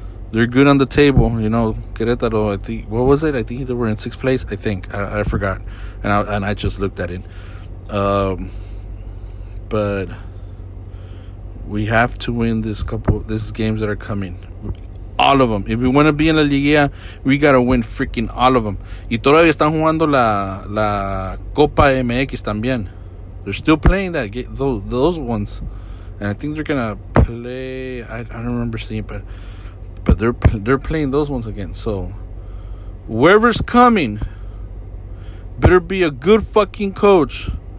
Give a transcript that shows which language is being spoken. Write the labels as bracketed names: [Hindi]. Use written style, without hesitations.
[English] They're good on the table, you know. Querétaro, I think, what was it? I think they were in sixth place, I think. I forgot. And I just looked at it. But we have to win these games that are coming. All of them. If we want to be in La Liga, we got to win freaking all of them. [Spanish] Y todavía están jugando la Copa MX también. [English] They're still playing those ones. And I think they're going to play, I don't remember seeing, but they're playing those ones again. So, whoever's coming, better be a good fucking coach.